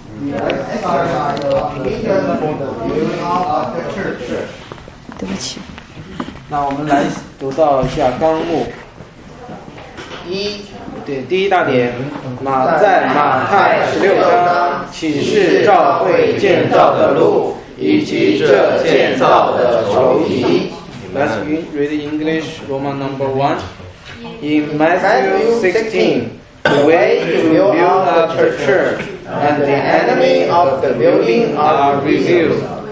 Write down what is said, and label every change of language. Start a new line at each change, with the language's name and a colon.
English: We exercise the kingdom for the building up of the church.
Chinese: 对不起。那我们来读到一下纲目。一，对，第一大点，马在马太十六章启示召会建造的路以及这建造的仇敌。
English: Let's read English Roman number one. In Matthew 16, the way to build up the church and the enemy of the building are revealed.